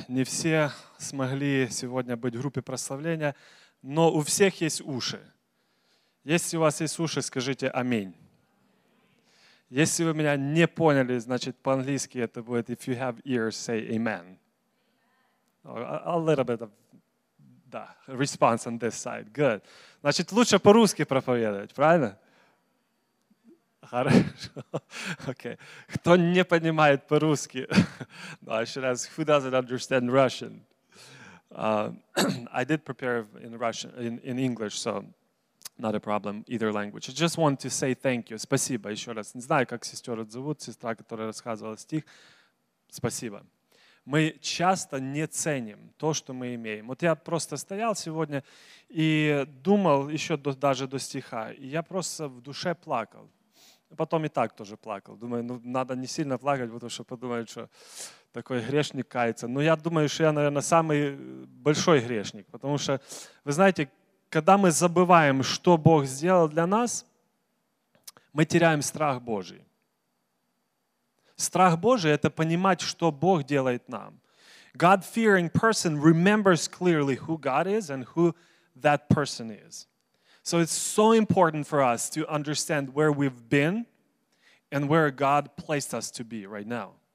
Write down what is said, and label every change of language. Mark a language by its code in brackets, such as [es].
[ru] Не все смогли сегодня быть в группе прославления. Но у всех есть уши. Если у вас есть уши, скажите «Аминь». Если вы меня не поняли, значит, по-английски это будет [en] «If you have ears, say amen». A little bit of response on this side. Good. [ru] Значит, лучше по-русски проповедовать, правильно? Хорошо. Okay. Кто не понимает по-русски? [en] No, I should ask, who doesn't understand Russian? I did prepare in Russian, in English, so not a problem, either language. I just want to say thank you. [ru] Спасибо еще раз. Не знаю, как сестер зовут, сестра, которая рассказывала стих. Спасибо. Мы часто не ценим то, что мы имеем. Вот я просто стоял сегодня и думал еще даже до стиха. И я просто в душе плакал. Потом и так тоже плакал. Думаю, ну надо не сильно плакать, потому что подумают, что такой грешник кается. Но я думаю, что я, наверное, самый большой грешник. Потому что, вы знаете, когда мы забываем, что Бог сделал для нас, мы теряем страх Божий. Страх Божий — это понимать, что Бог делает нам. [en] God-fearing person remembers clearly who God is and who that person is. So it's so important for us to understand where we've been and where God placed us to be right now.